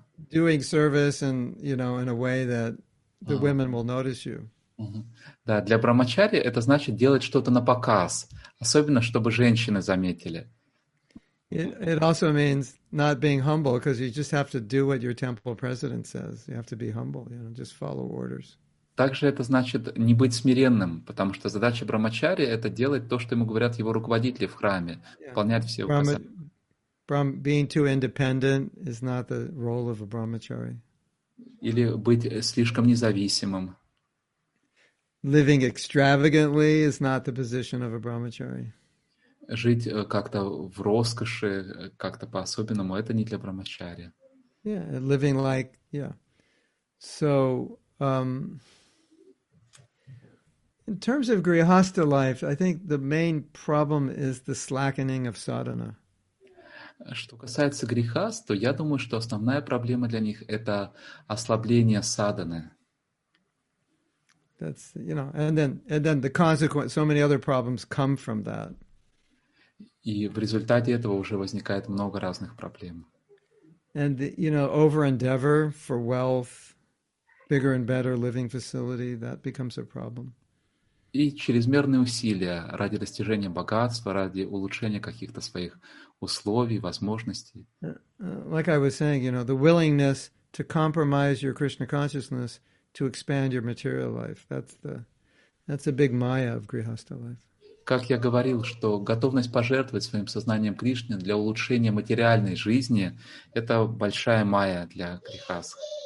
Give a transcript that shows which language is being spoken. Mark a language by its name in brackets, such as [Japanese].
[English] Doing service and, you know, in a way that the women will notice you. Uh-huh. [Russian] Да, для брахмачари это значит делать что-то на показ, особенно чтобы женщины заметили. [English] It also means not being humble, because you just have to do what your temple president says. You have to be humble, you know, just follow orders. [Russian] Также это значит не быть смиренным, потому что задача брахмачари это делать то, что ему говорят его руководители в храме, выполнять все указания. [English] Being too independent is not the role of a brahmachari. [Russian] Или быть слишком независимым. [English] Living extravagantly is not the position of a brahmachari. [Russian] Жить как-то в роскоши, как-то по-особенному, это не для брахмачари. [English] Yeah, living like, yeah. So, in terms of grihastha life, I think the main problem is the slackening of sadhana. [Russian] Что касается грихаст, то я думаю, что основная проблема для них — это ослабление садханы. [English] That's, you know, and then the consequence, so many other problems come from that. [Russian] И в результате этого уже возникает много разных проблем. [English] And the, you know, over endeavor for wealth, bigger and better living facility, that becomes a problem. [Russian] И чрезмерные усилия ради достижения богатства, ради улучшения каких-то своих условий, возможностей. [English] Like I was saying, you know, the willingness to compromise your Krishna consciousness to expand your material life. That's a big maya of grihastha life. [Russian] Как я говорил, что готовность пожертвовать своим сознанием Кришне для улучшения материальной жизни — это большая майя для грихастх.